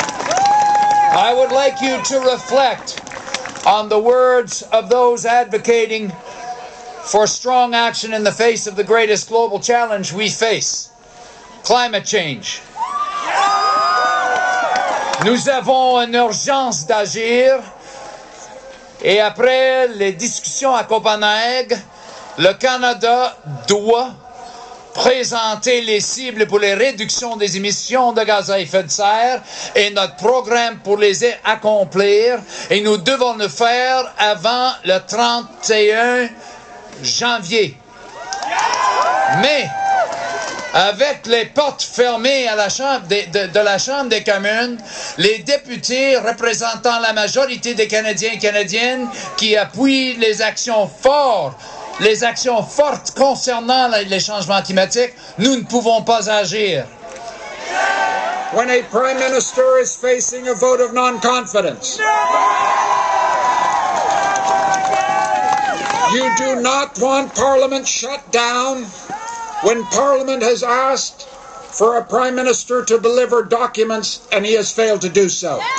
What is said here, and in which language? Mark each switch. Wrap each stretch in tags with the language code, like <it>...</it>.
<en>I would like you to reflect on the words of those advocating for strong action in the face of the greatest global challenge we face, climate change.</en> <fr>Nous avons une urgence d'agir et après les discussions à Copenhague, le Canada doit présenter les cibles pour les réductions des émissions de gaz à effet de serre et notre programme pour les accomplir et nous devons le faire avant le 31 janvier. Mais avec les portes fermées à la chambre de la Chambre des communes, les députés représentant la majorité des Canadiens et Canadiennes qui appuient les actions fortes concernant les changements climatiques, nous ne pouvons pas agir.</fr> <en>When a prime minister is facing a vote of non-confidence, you do not want Parliament shut down. When Parliament has asked for a Prime Minister to deliver documents and he has failed to do so.</en>